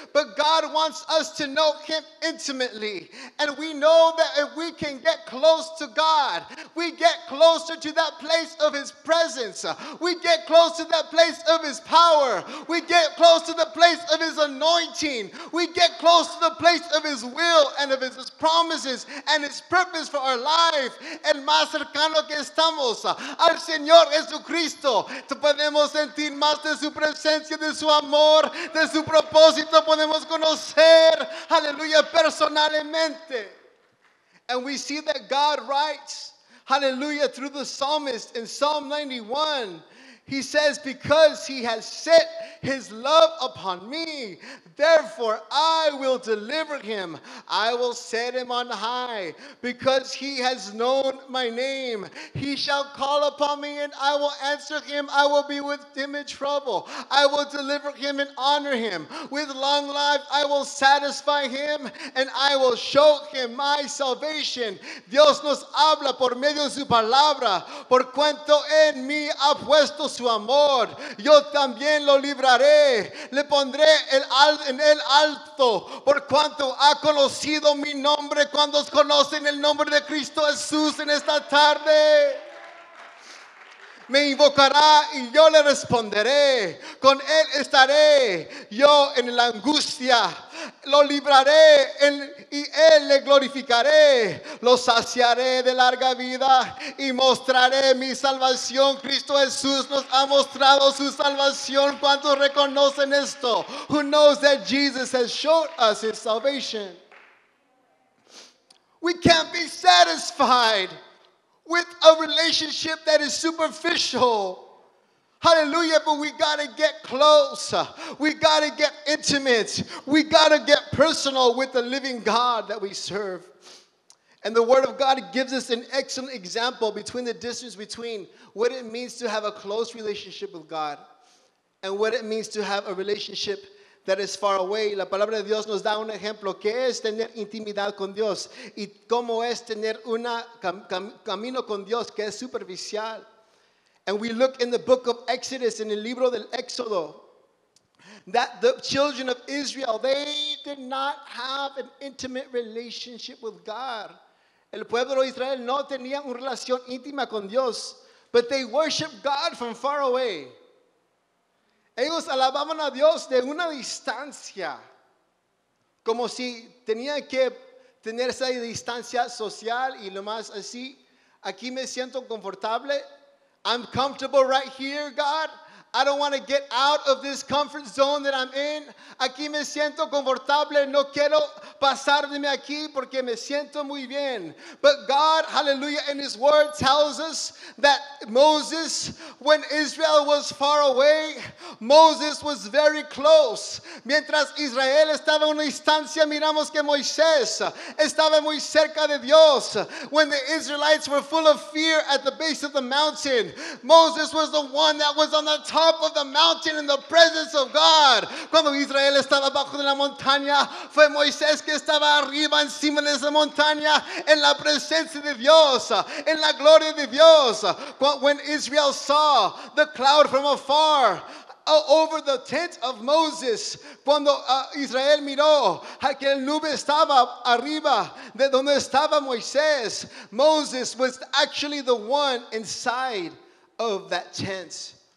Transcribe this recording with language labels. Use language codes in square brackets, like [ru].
[en] But God wants us to know Him intimately. And we know that if we can get close to God, we get closer to that place of His presence. We get close to that place of His power. We get close to the place of His anointing. We get close to the place of His will and of His promises and His purpose for our life. [es] El más cercano que está al Señor Jesucristo, podemos sentir más de su presencia, de su amor, de su propósito, podemos conocer, aleluya, personalmente. [en] And we see that God writes, hallelujah, through the psalmist in Psalm 91, he says, because he has set his love upon me, therefore I will deliver him. I will set him on high because he has known my name. He shall call upon me and I will answer him. I will be with him in trouble. I will deliver him and honor him. With long life I will satisfy him and I will show him my salvation. [es] Dios nos habla por medio de su palabra. Por cuanto en mí ha puesto su amor, yo también lo libraré. Le pondré en el alto por cuanto ha conocido mi nombre. ¿Cuántos conocen el nombre de Cristo Jesús en esta tarde? Me invocará y yo le responderé. Con él estaré yo en la angustia. Lo libraré y él le glorificaré. Lo saciaré de larga vida y mostraré mi salvación. Cristo Jesús nos ha mostrado su salvación. ¿Cuántos reconocen esto? [en] Who knows that Jesus has showed us his salvation? We can't be satisfied with a relationship that is superficial. Hallelujah, but we gotta get close. We gotta get intimate. We gotta get personal with the living God that we serve. And the Word of God gives us an excellent example between the distance between what it means to have a close relationship with God and what it means to have a relationship that is far away. [es] La palabra de Dios nos da un ejemplo que es tener intimidad con Dios y cómo es tener un camino con Dios que es superficial. [en] And we look in the book of Exodus, in [es] el libro del Éxodo, [en] that the children of Israel, they did not have an intimate relationship with God. [es] El pueblo de Israel no tenía una relación íntima con Dios, [en] but they worshiped God from far away. [es] Ellos alababan a Dios de una distancia, como si tenían que tener esa distancia social y lo más así. Aquí me siento confortable. [en] I'm comfortable right here, God. I don't want to get out of this comfort zone that I'm in. [es] Aquí me siento confortable. No quiero pasarme aquí porque me siento muy bien. [en] But God, hallelujah, in His Word tells us that Moses, when Israel was far away, Moses was very close. [es] Mientras Israel estaba a una distancia, miramos que Moisés estaba muy cerca de Dios. [en] When the Israelites were full of fear at the base of the mountain, Moses was the one that was on the top of the mountain in the presence of God. [es] Cuando Israel estaba abajo de la montaña, fue Moisés que estaba arriba encima de esa montaña en la presencia de Dios, en la gloria de Dios. [en] When Israel saw the cloud from afar, over the tent of Moses, [es] cuando Israel miró que el nube estaba arriba de donde estaba Moisés, [en] Moses was actually the one inside of that tent.